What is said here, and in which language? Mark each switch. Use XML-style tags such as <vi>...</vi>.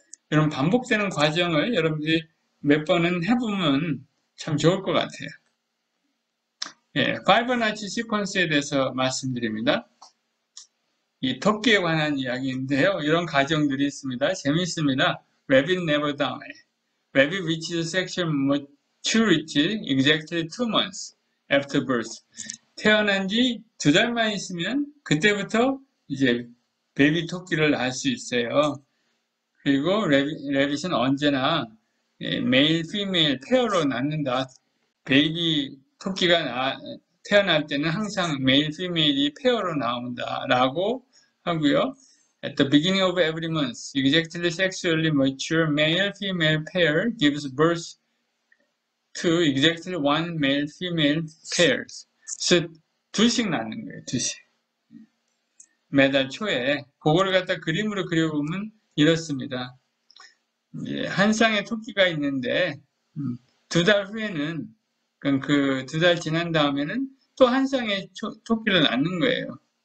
<ko>이런 반복되는 과정을 여러분들이 몇 번은 해보면 참 좋을 것 같아요. 예, 파이버나치 시퀀스에 대해서 말씀드립니다. 이 토끼에 관한 이야기인데요. 이런 과정들이 있습니다. 재밌습니다.</ko> <en>Rabbit never die. Rabbit reaches sexual maturity exactly 2 months after birth.</en> <ko>태어난 지두 달만 있으면 그때부터 이제 베이비 토끼를 낳을 수 있어요. 그리고 래빗은 언제나 메일, 피메일, 페어로 낳는다. 베이비 토끼가 태어날 때는 항상 메일, 피메일이 페어로 나온다라고 하고요.</ko> <en>At the beginning of every month, exactly sexually mature male, female pair gives birth to exactly one male, female pairs.</en> <ko>그래서 둘씩 낳는 거예요, 둘씩. 매달 초에 그거를 갖다 그림으로 그려보면 이렇습니다. 이제 한 쌍의 토끼가 있는데 두달 후에는 그두달 지난 다음에는 또한 쌍의 토끼를 낳는 거예요.</ko>